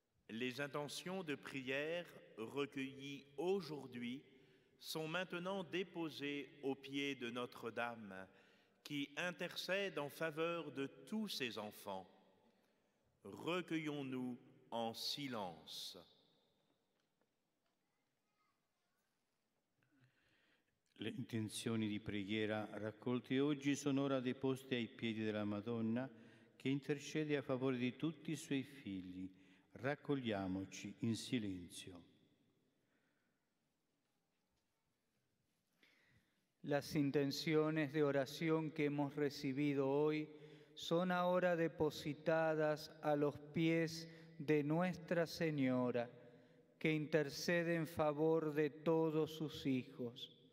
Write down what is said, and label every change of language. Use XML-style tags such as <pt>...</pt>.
<fr>Les intentions de prière recueillies aujourd'hui sont maintenant déposées aux pieds de Notre-Dame, qui intercède en faveur de tous ses enfants. Recueillons-nous en silence.</fr> <it>Le intenzioni di preghiera raccolte oggi sono ora deposte ai piedi della Madonna, che intercede a favore di tutti i suoi figli. Raccogliamoci in silenzio.</it> <es>Las intenciones de oración que hemos recibido hoy son ahora depositadas a los pies de Nuestra Señora, que intercede en favor de todos sus hijos.</es>